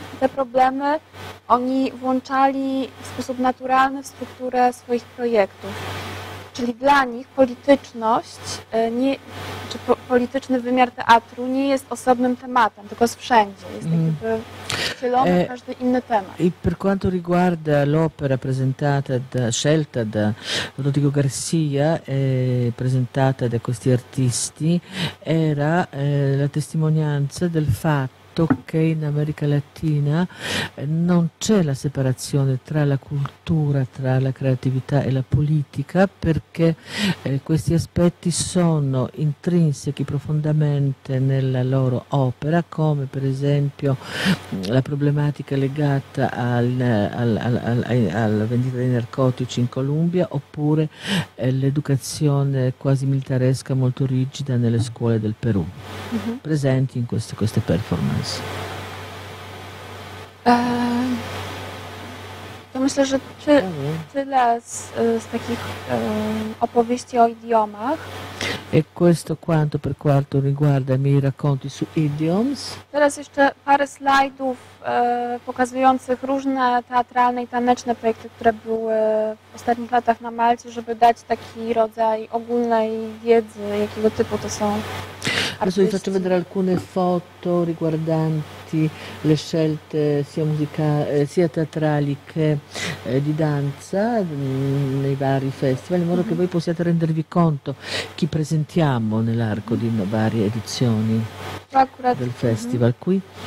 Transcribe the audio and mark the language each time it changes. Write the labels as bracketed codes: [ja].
[pl] Te problemy oni włączali w sposób naturalny w strukturę swoich projektów. Czyli dla nich polityczność, czy polityczny wymiar teatru nie jest osobnym tematem, tylko jest wszędzie. Jest jakby wcielony w każdy inny temat. [it] I per quanto riguarda l'opera presentata, scelta da Rodrigo Garcia, presentata da questi artisti, era la testimonianza del fatto che in America Latina non c'è la separazione tra la cultura, tra la creatività e la politica, perché questi aspetti sono intrinsechi profondamente nella loro opera, come per esempio la problematica legata alla vendita dei narcotici in Colombia, oppure l'educazione quasi militaresca molto rigida nelle scuole del Perù, presenti in queste performance. [pl] To myślę, że tyle z takich opowieści o idiomach. [it] E questo quanto per quanto riguarda i miei racconti su idioms. [pl] Teraz jeszcze parę slajdów pokazujących różne teatralne i taneczne projekty, które były w ostatnich latach na Malcie, żeby dać taki rodzaj ogólnej wiedzy, jakiego typu to są. [it] Adesso vi faccio vedere alcune foto riguardanti le scelte sia sia teatrali che di danza nei vari festival, in modo che voi possiate rendervi conto chi presentiamo nell'arco di varie edizioni del festival qui.